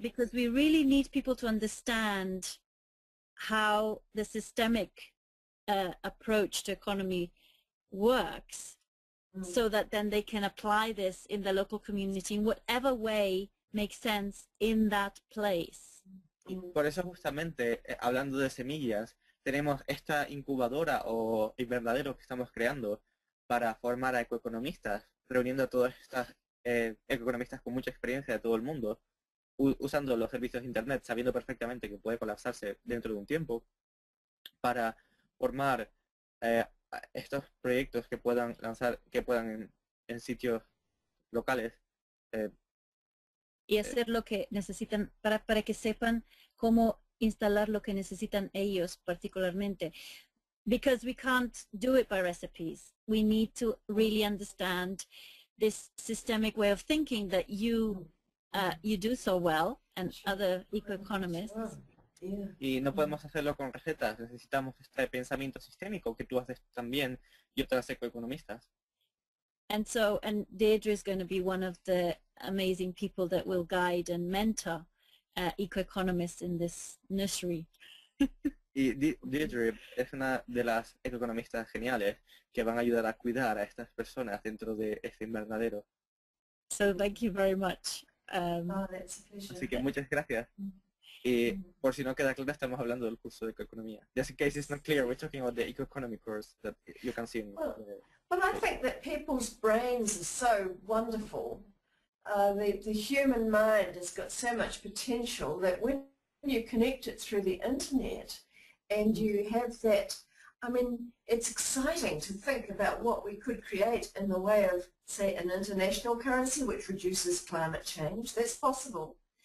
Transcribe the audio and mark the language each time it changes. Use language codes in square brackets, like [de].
[en] Because we really need people to understand how the systemic approach to economy works, so that then they can apply this in the local community in whatever way makes sense in that place. [es] Y por eso justamente, hablando de semillas, tenemos esta incubadora o invernadero que estamos creando para formar a ecoeconomistas, reuniendo a todas estas ecoeconomistas con mucha experiencia de todo el mundo, usando los servicios de internet, sabiendo perfectamente que puede colapsarse dentro de un tiempo, para formar estos proyectos que puedan lanzar, que puedan en sitios locales. Y hacer lo que necesitan para que sepan cómo instalar lo que necesitan ellos particularmente. [en] Because we can't do it by recipes. We need to really understand this systemic way of thinking that you you do so well and other eco-economists. [es] Y no podemos hacerlo con recetas. Necesitamos este pensamiento sistémico que tú haces también y otras ecoeconomistas. [en] And so, and Deirdre is going to be one of the amazing people that will guide and mentor eco-economists in this nursery. [es] Y Deirdre es una de las ecoeconomistas geniales que van a ayudar a cuidar a estas personas dentro de este invernadero. [en] So thank you very much. [es] Así que muchas gracias. Y por si no queda claro, estamos hablando del curso de ecoeconomía. [en] Just in case it's not clear, we're talking about the eco-economy course that you can see. But I think that people's brains are so wonderful. The human mind has got so much potential that when you connect it through the internet and you have that, I mean, it's exciting to think about what we could create in the way of, say, an international currency which reduces climate change. That's possible.